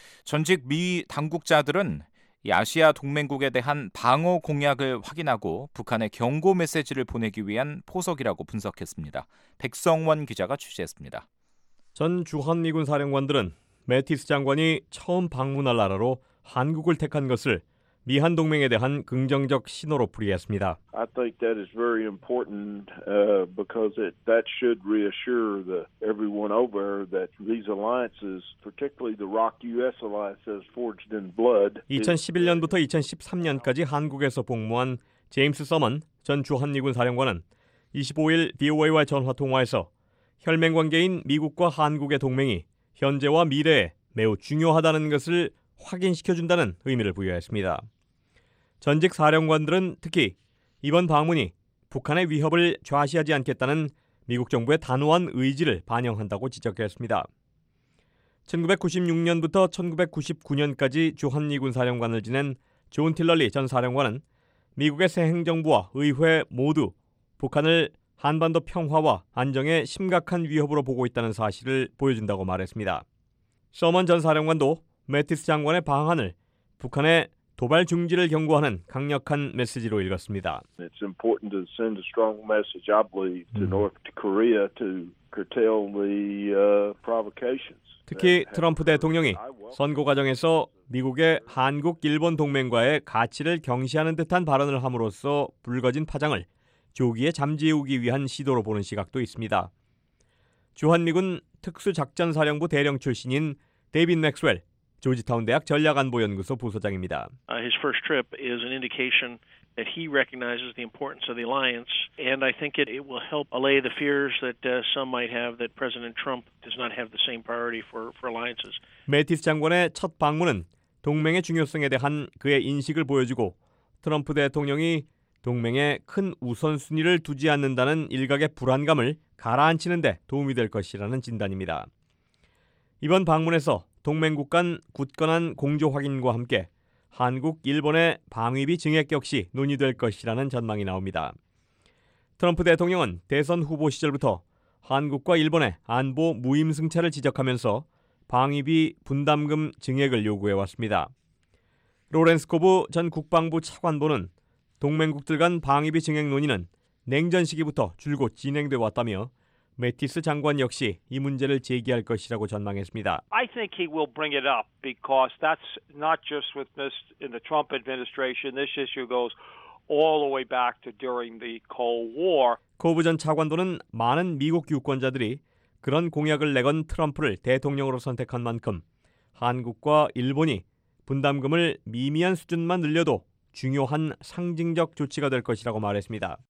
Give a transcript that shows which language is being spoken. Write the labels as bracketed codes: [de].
[ko] 전직 미 당국자들은 아시아 동맹국에 대한 방어 공약을 확인하고 북한에 경고 메시지를 보내기 위한 포석이라고 분석했습니다. 백성원 기자가 취재했습니다. 전 주한미군 사령관들은 매티스 장관이 처음 방문할 나라로 한국을 택한 것을 미한 동맹에 대한 긍정적 신호로 풀이했습니다. [en] I think that is very important because that should reassure everyone over that these alliances, particularly the ROC-US alliances forged in blood. [ko] 2011년부터 2013년까지 한국에서 복무한 제임스 서먼 전 주한미군 사령관은 25일 VOA와 전화 통화에서 혈맹 관계인 미국과 한국의 동맹이 현재와 미래에 매우 중요하다는 것을 확인시켜준다는 의미를 부여했습니다. 전직 사령관들은 특히 이번 방문이 북한의 위협을 좌시하지 않겠다는 미국 정부의 단호한 의지를 반영한다고 지적했습니다. 1996년부터 1999년까지 주한미군 사령관을 지낸 존 틸러리 전 사령관은 미국의 새 행정부와 의회 모두 북한을 한반도 평화와 안정에 심각한 위협으로 보고 있다는 사실을 보여준다고 말했습니다. 서먼 전 사령관도 매티스 장관의 방한을 북한의 도발 중지를 경고하는 강력한 메시지로 읽었습니다. [en] It's important to send a strong message, I believe, to North Korea to curtail the provocations. [ko] 특히 트럼프 대통령이 선거 과정에서 미국의 한국, 일본 동맹과의 가치를 경시하는 듯한 발언을 함으로써 불거진 파장을 조기에 잠재우기 위한 시도로 보는 시각도 있습니다. 주한미군 특수작전사령부 대령 출신인 데이빗 맥스웰, 조지타운 대학 전략안보연구소 부소장입니다. [en] His first trip is an indication that he recognizes the importance of the alliance, and I think it will help allay the fears that some might have that President Trump does not have the same priority for alliances. [ko] 매티스 장관의 첫 방문은 동맹의 중요성에 대한 그의 인식을 보여주고 트럼프 대통령이 동맹에 큰 우선순위를 두지 않는다는 일각의 불안감을 가라앉히는 데 도움이 될 것이라는 진단입니다. 이번 방문에서 동맹국 간 굳건한 공조 확인과 함께 한국, 일본의 방위비 증액 역시 논의될 것이라는 전망이 나옵니다. 트럼프 대통령은 대선 후보 시절부터 한국과 일본의 안보 무임승차를 지적하면서 방위비 분담금 증액을 요구해왔습니다. 로렌스 코브 전 국방부 차관보는 동맹국들 간 방위비 증액 논의는 냉전 시기부터 줄곧 진행돼 왔다며 매티스 장관 역시 이 문제를 제기할 것이라고 전망했습니다. [en] I think he will bring it up because that's not just with this in the Trump administration. This issue goes all the way back to during the Cold War. [ko] 코브 전 차관도는 많은 미국 유권자들이 그런 공약을 내건 트럼프를 대통령으로 선택한 만큼 한국과 일본이 분담금을 미미한 수준만 늘려도 중요한 상징적 조치가 될 것이라고 말했습니다.